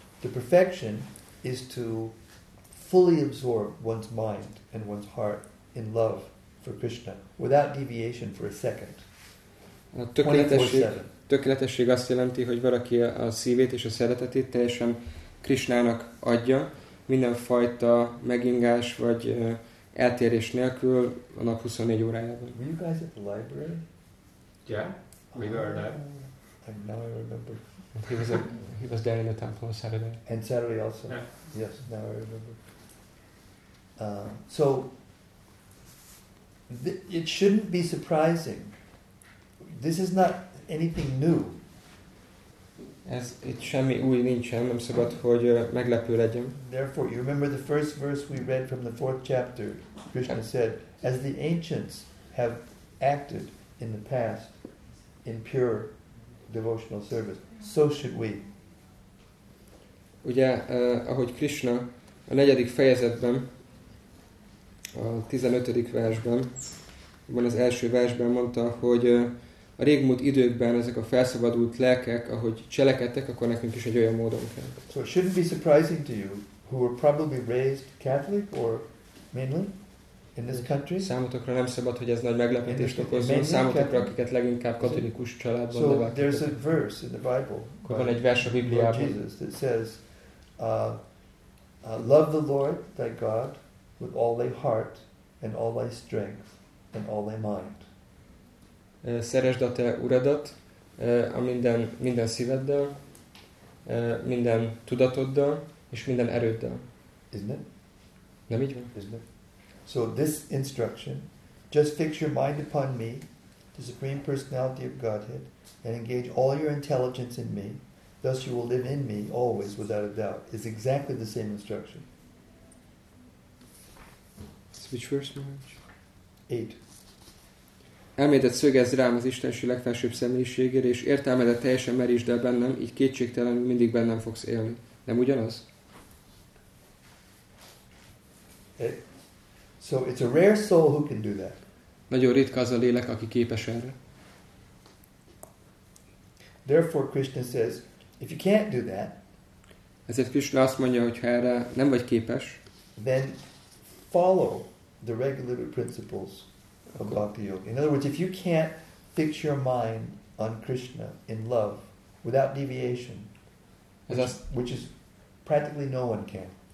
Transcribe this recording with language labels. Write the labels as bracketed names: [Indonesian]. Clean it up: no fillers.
[English] The perfection is to fully absorb one's mind and one's heart in love for Krishna without deviation for a second. [Hungarian] A tökéletesség azt jelenti, hogy valaki a szívét és a szeretetét teljesen Krishnának adja, mindenfajta megingás vagy eltérés nélkül a nap 24 órájában. [English] Were you guys at the library? Yeah, we were there. Now I remember. He was there in the temple on Saturday. And Saturday also. Yeah. Yes, now I remember. So, it shouldn't be surprising. This is not anything new. [Hungarian] Ez itt semmi új nincsen, nem szabad, hogy meglepő legyen. [English] Therefore, you remember the first verse we read from the fourth chapter. Krishna said, as the ancients have acted in the past in pure devotional service, so should we. [Hungarian] Ugye, ahogy Krishna a negyedik fejezetben, a 15. versben, van az első versben mondta, hogy a régmúlt időkben ezek a felszabadult lelkek, ahogy cselekedtek, akkor nekünk is egy olyan módon kell. [English] So it shouldn't be surprising to you, who were probably raised Catholic or mainland in this country. [Hungarian] Számotokra nem szabad, hogy ez nagy meglepetést okozzon. Számotokra, akiket leginkább katolikus családban neveltek. [English] So there's a verse in the Bible. [Hungarian] Van egy vers a Bibliában. [English] Lord Jesus, that says, love the Lord thy God with all thy heart and all thy strength and all thy mind. [Hungarian] Szeresd a te uradat a minden szíveddel, minden tudatoddal és minden erőddel. [English] Isn't it? [Hungarian] Nem így van? [English] Isn't it? So this instruction, just fix your mind upon me, the Supreme Personality of Godhead, and engage all your intelligence in me, thus you will live in me always without a doubt, is exactly the same instruction. Which verse, Maharaj? 8. [Hungarian] Elmédet szögezz rám az Istenség legfelsőbb személyiségére, és értelmedet teljesen merítsd el bennem, így kétségtelenül mindig bennem fogsz élni. Nem ugyanaz? [English] So it's a rare soul who can do that. [Hungarian] Nagyon ritka az a lélek, aki képes erre. [English] Therefore Krishna says, if you can't do that, [Hungarian] ezért Krishna azt mondja, hogy ha erre nem vagy képes, [English] then follow the regulative principles of bhakti yoga. In other words, if you can't fix your mind on Krishna in love without deviation, which is practically no one can.